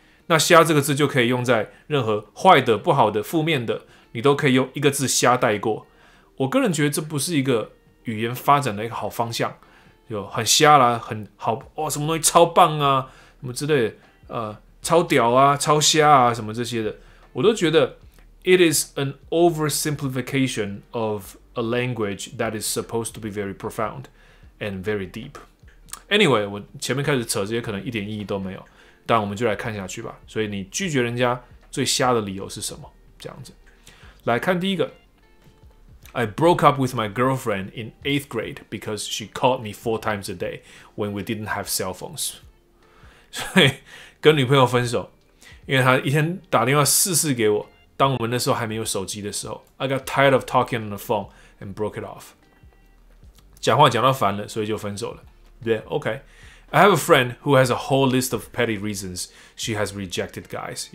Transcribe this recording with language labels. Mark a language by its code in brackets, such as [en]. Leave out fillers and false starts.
[zh] 那瞎这个字就可以用在任何坏的、不好的、负面的，你都可以用一个字瞎带过。我个人觉得这不是一个语言发展的一个好方向，就很瞎啦，很好哦，什么东西超棒啊，什么之类的，超屌啊，超瞎啊，什么这些的，我都觉得。 [en] It is an oversimplification of a language that is supposed to be very profound and very deep. Anyway, [zh] 我前面开始扯这些可能一点意义都没有，但我们就来看下去吧。所以你拒绝人家最瞎的理由是什么？这样子，来看第一个。 [en] I broke up with my girlfriend in 8th grade because she called me 4 times a day when we didn't have cell phones. [zh] 所以跟女朋友分手，因为她一天打电话4次给我。当我们那时候还没有手机的时候 [en] ，I got tired of talking on the phone and broke it off。 [zh] 讲话讲到烦了，所以就分手了。 [en] 对 ，OK。I have a friend who has a whole list of petty reasons she has rejected guys。